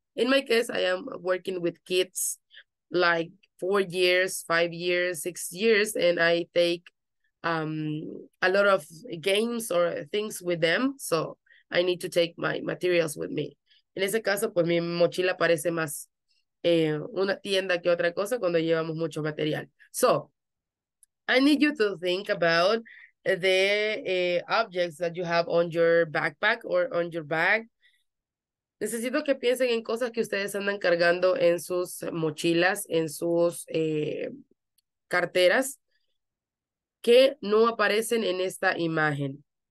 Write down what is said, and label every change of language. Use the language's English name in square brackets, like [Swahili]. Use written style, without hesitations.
[English] In my case, I am working with kids like 4 years, 5 years, 6 years, and I take a lot of games or things with them, so I need to take my materials with me. [Spanish] En ese caso, pues mi mochila parece más una tienda que otra cosa cuando llevamos mucho material. [English] So, I need you to think about the objects that you have on your backpack or on your bag. [Spanish] Necesito que piensen en cosas que ustedes andan cargando en sus mochilas, en sus carteras, que no aparecen en esta imagen.